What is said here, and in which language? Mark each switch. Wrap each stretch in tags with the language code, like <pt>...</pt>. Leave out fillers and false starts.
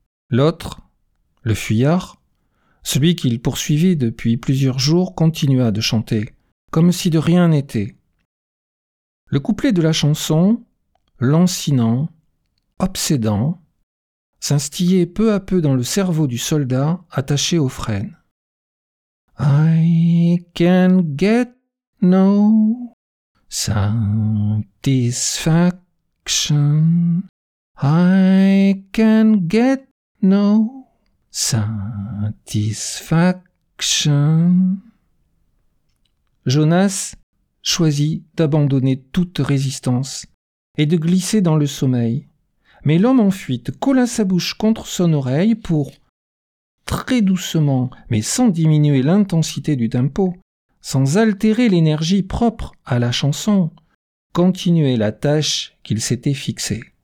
<fr>L'autre, le fuyard, celui qu'il poursuivit depuis plusieurs jours, continua de chanter, comme si de rien n'était. Le couplet de la chanson, lancinant, obsédant, s'instillait peu à peu dans le cerveau du soldat attaché au frêne.</fr> <en>I can get no satisfaction. I can get no satisfaction.</en> <fr>Jonas choisit d'abandonner toute résistance et de glisser dans le sommeil. Mais l'homme en fuite colla sa bouche contre son oreille pour très doucement, mais sans diminuer l'intensité du tempo, sans altérer l'énergie propre à la chanson, continuer la tâche qu'il s'était fixée.</fr>